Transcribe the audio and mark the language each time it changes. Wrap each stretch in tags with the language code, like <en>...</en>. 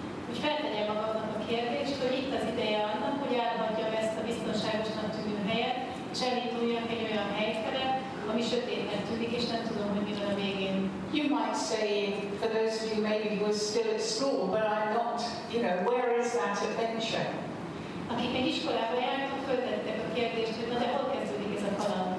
<hu>Hogy feltenyem magamnak a kérdést, hogy itt az ideje annak, hogy elhagyjam ezt a biztonságosnak tűnő helyet, és elinduljak egy olyan helyre, ami sötétnek tűnik, és nem tudom, hogy mi van a végén.</hu> <en>You might say, for those of you maybe who are still at school, but I'm not, you know, where is that adventure?</en> <hu>Akik még iskolába jártak, föltettek a kérdést, hogy na de hol kezdődik ez a kaland?</hu>